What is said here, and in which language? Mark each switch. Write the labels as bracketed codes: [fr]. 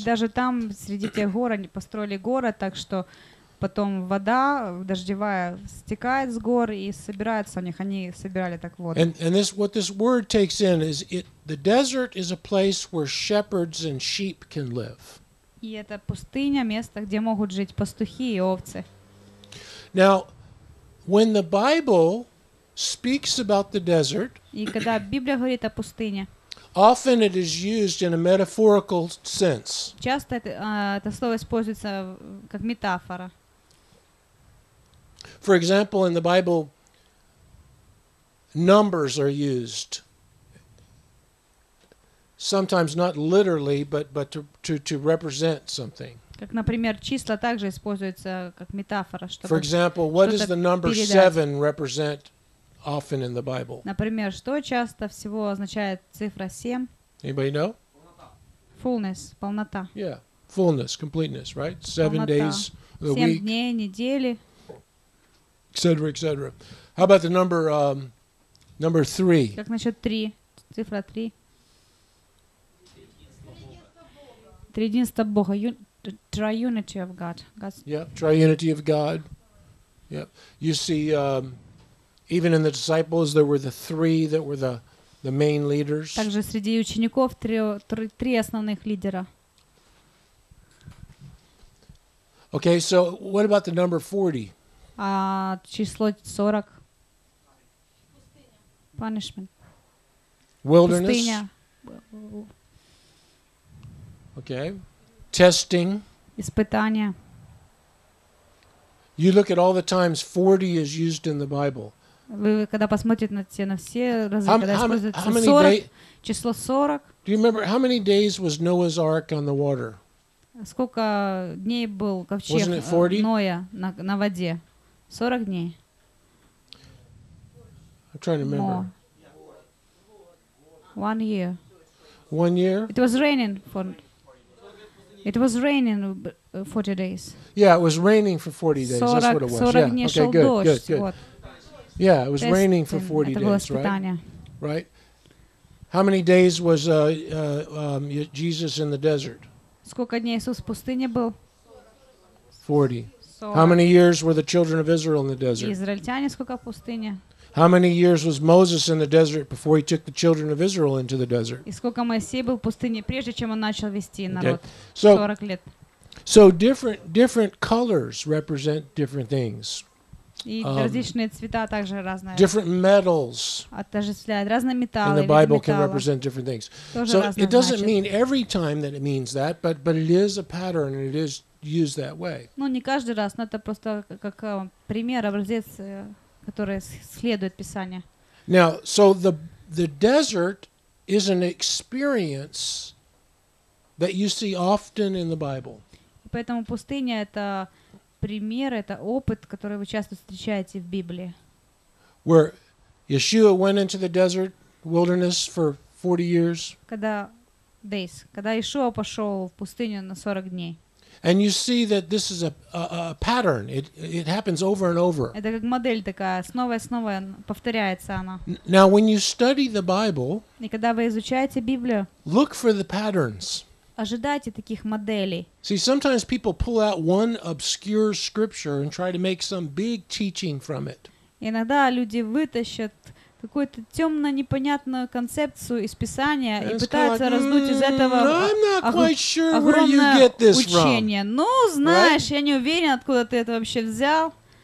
[ru] И даже там среди тех гор они построили город, так что потом вода дождевая стекает с гор и собирается у них. Они собирали так воду. [en] And this what this word takes in is it the desert is a place where shepherds and sheep can live. [ru] И это пустыня, место, где могут жить пастухи и овцы. [en] Now, when the Bible speaks about the desert. [ru] И когда Библия говорит о пустыне. [en] Often it is used in a metaphorical sense. [ru] Часто это слово используется как метафора. [en] For example, in the Bible, numbers are used. Sometimes not literally, but to represent something. [ru] Как, например, числа также используются как метафора, чтобы. [en] For example, what does the number 7 represent? Often in the Bible. [ru] Например, что часто всего означает цифра 7? [en] Anybody know? Fullness, [ru] полнота. [en] Yeah, fullness, completeness, right? Seven [ru] полнота. [en] Days of the week. [ru] 7 дней, недели. [en] Et cetera, et cetera. How about the number, number 3? [ru] Как насчет 3? Цифра 3? Триединство Бога. [en] Triunity of God. Triunity of God. Yeah. You see, even in the disciples, there were the three that were the main leaders. [ru] Также среди учеников три основных лидера. [en] Okay, so what about the number 40? [ru] Число 40. [en] Punishment. Wilderness. [ru] Пустыня. [en] Okay. Testing. [ru] Испытания. [en] You look at all the times 40 is used in the Bible. [ru] Вы когда посмотрите на все разные, когда используется 40, число 40. [en] Do you remember how many days was Noah's Ark on the water? [ru] Сколько дней был ковчег Ноя на воде? 40 дней. [en] I'm trying to remember. More. One year. One year? It was raining 40 days. Yeah, it was raining for 40 days. 40, that's what it was. [ru] 40 дней шел дождь. [en] Good. [ru] Вот. [en] Yeah, it was raining for 40 days, right? How many days was Jesus in the desert? [ru] Сколько дней Иисус в пустыне был? 40. [en] How many years were the children of Israel in the desert? [ru] Израильтяне сколько в пустыне? [en] How many years was Moses in the desert before he took the children of Israel into the desert? [ru] И сколько Моисей был в пустыне прежде чем он начал вести народ? 40 лет. [en] So different colors represent different things. [ru] И различные цвета также разные. [en] Different metals. [ru] Отождествляют разные металлы. [en] In the Bible can represent different things. So it doesn't mean every time that it means that, but it is a pattern and it is used that way. [ru] Ну не каждый раз, но это просто как пример, образец, который следует Писанию. [en] Now, so the desert is an experience that you see often in the Bible. [ru] Поэтому пустыня это пример, это опыт, который вы часто встречаете в Библии. [en] Where Yeshua went into the desert wilderness for 40 years. [ru] Когда Иешуа пошел в пустыню на 40 дней. [en] And you see that this is a pattern. It happens over and over. [ru] Это как модель такая, снова и снова повторяется она. [en] Now when you study the Bible, [ru] и когда вы изучаете Библию, [en] look for the patterns. [ru] Ожидайте таких моделей. [en] See, sometimes people pull out one obscure scripture and try to make some big teaching from it. [ru] Иногда люди вытащат какую-то темно непонятную концепцию из Писания и пытаются раздуть из этого огромное учение. Ну, знаешь, я не уверен, откуда ты это вообще взял.